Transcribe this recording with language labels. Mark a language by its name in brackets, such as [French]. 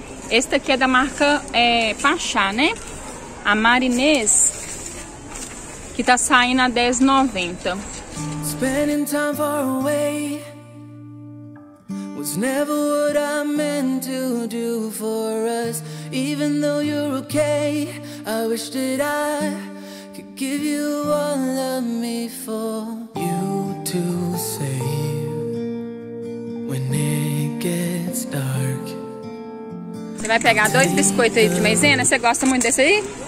[Portuguese] Esse daqui é da marca Pachá, né? A Marinês, que tá saindo a R$10,90. [English] Give you all of me for you to save when it gets dark. [Portuguese] Você vai pegar dois biscoitos aí de maisena? Você gosta muito desse aí?